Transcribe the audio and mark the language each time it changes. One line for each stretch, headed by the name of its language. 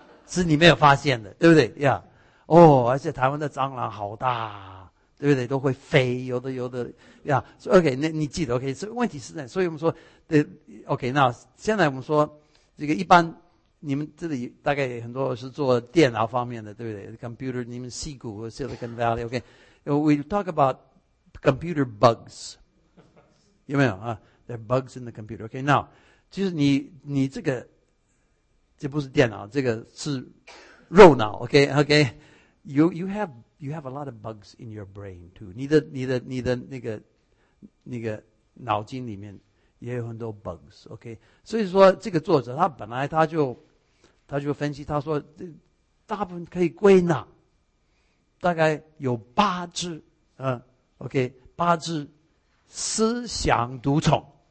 Chinese: 是你没有发现的，对不对？呀、yeah. ，哦，而且台湾的蟑螂好大，对不对？都会飞，有的呀。Yeah. OK， 那你记得 OK？所以问题是在，所以我们说，对 OK。那现在我们说，这个一般你们这里大概很多是做电脑方面的，对不对 ？Computer， 你们矽谷 Silicon Valley OK？
English: We talk about computer bugs，
Chinese: 有没有啊？
English: There are bugs in the computer. Okay, now,
Chinese: 其实你这个，这不是电脑，这个是肉脑。
English: Okay, okay, you have a lot of bugs in your brain too.
Chinese: 你的那个脑筋里面也有很多 bugs. Okay, 所以说这个作者他本来他就分析，他说大部分可以归纳，大概有8只，okay, 8只思想毒虫。